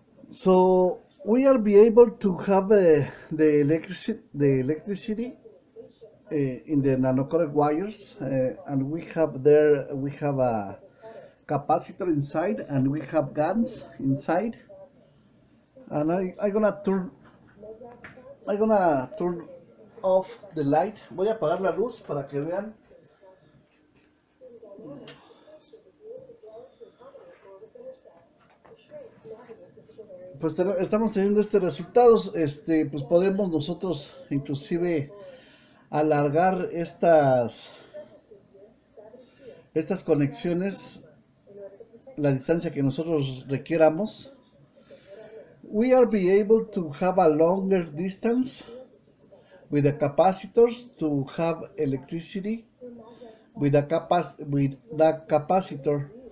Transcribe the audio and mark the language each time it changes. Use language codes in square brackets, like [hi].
[en] So we are be able to have the electricity in the nanocoric wires, and we have a capacitor inside, and we have GaNs inside, and I'm gonna turn off the light. [es] Voy a apagar la luz para que vean. Pues estamos teniendo este resultado. Pues podemos nosotros inclusive alargar estas conexiones la distancia que nosotros requieramos. [en] We are be able to have a longer distance with the capacitors to have electricity with that capacitor.